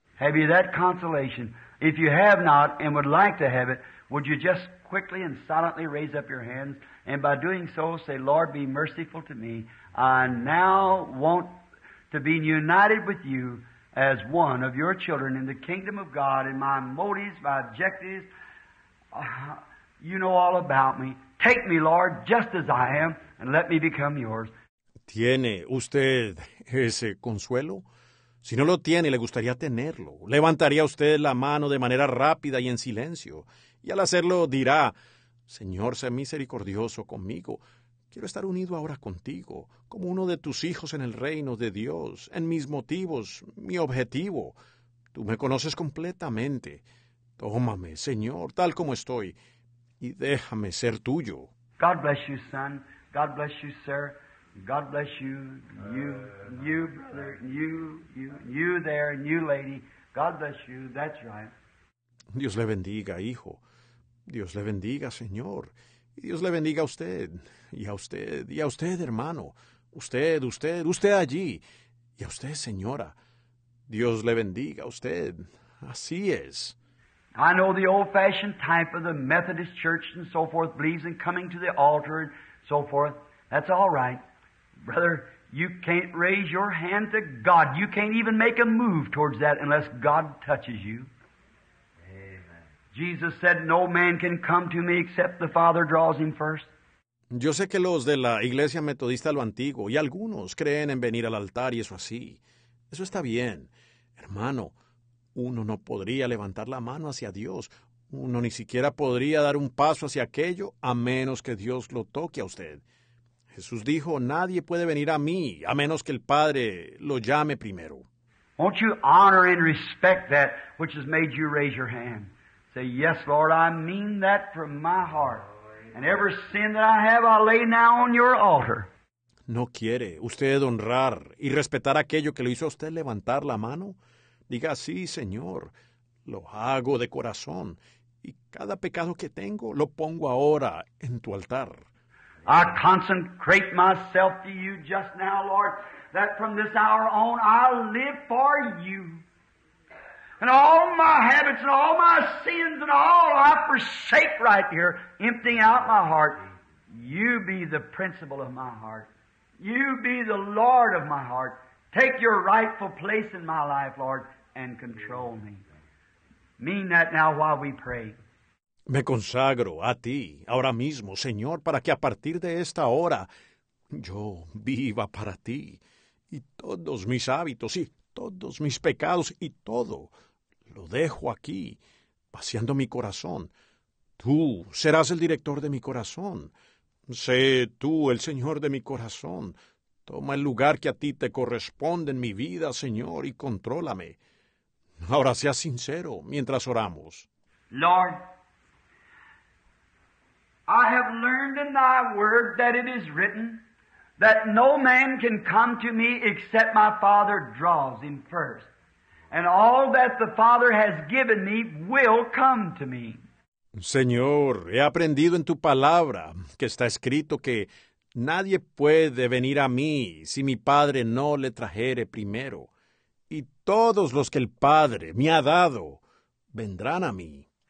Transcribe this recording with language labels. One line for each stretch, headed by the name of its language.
English: Have you that consolation? If you have not and would like to have it, would you just quickly and silently raise up your hands and by doing so say, Lord, be merciful to me. I now want to be united with you as one of your children in the kingdom of God, and my motives, my objectives, you know all about me. Take me, Lord, just as I am, and let me become yours.
Spanish: ¿Tiene usted ese consuelo? Si no lo tiene, le gustaría tenerlo. Levantaría usted la mano de manera rápida y en silencio, y al hacerlo dirá, Señor, sé misericordioso conmigo. Quiero estar unido ahora contigo, como uno de tus hijos en el reino de Dios, en mis motivos, mi objetivo. Tú me conoces completamente. Tómame, Señor, tal como estoy, y déjame ser tuyo.
English: God bless you, son. God bless you, sir. God bless you, you, brother, you there, and you, lady. God bless you. That's right.
Spanish: Dios le bendiga, hijo. Dios le bendiga, Señor. Y Dios le bendiga a usted, y a usted, y a usted, hermano. Usted, usted, usted allí. Y a usted, señora. Dios le bendiga a usted. Así es.
English: I know the old-fashioned type of the Methodist church and so forth believes in coming to the altar and so forth. That's all right. Brother, you can't raise your hand to God. You can't even make a move towards that unless God touches you. Jesus said, no man can come to me except the Father draws him first.
Spanish: Yo sé que los de la iglesia metodista lo antiguo y algunos creen en venir al altar y eso así. Eso está bien. Hermano, uno no podría levantar la mano hacia Dios. Uno ni siquiera podría dar un paso hacia aquello a menos que Dios lo toque a usted. Jesús dijo, nadie puede venir a mí a menos que el Padre lo llame primero.
English: Won't you honor and respect that which has made you raise your hand? Say, yes, Lord, I mean that from my heart. And every sin that I have, I lay now on your altar.
Spanish: ¿No quiere usted honrar y respetar aquello que lo hizo a usted levantar la mano? Diga, sí, Señor, lo hago de corazón. Y cada pecado que tengo, lo pongo ahora en tu altar.
English: I consecrate myself to you just now, Lord, that from this hour on, I live for you. And all my habits and all my sins and all I forsake right here, emptying out my heart. You be the principal of my heart. You be the Lord of my heart. Take your rightful place in my life, Lord, and control me. Mean that now while we pray.
Spanish: Me consagro a ti ahora mismo, Señor, para que a partir de esta hora yo viva para ti y todos mis hábitos y todos mis pecados y todo. Lo dejo aquí, vaciando mi corazón. Tú serás el director de mi corazón. Sé tú el Señor de mi corazón. Toma el lugar que a ti te corresponde en mi vida, Señor, y contrólame. Ahora sea sincero mientras oramos.
English: Lord, I have learned in thy word that it is written that no man can come to me except my Father draws him first. And all that the Father has given me will come to me.
Spanish: Señor, he aprendido en tu palabra que está escrito que nadie puede venir a mí si mi Padre no le trajere primero. Y todos los que el Padre me ha dado vendrán a mí.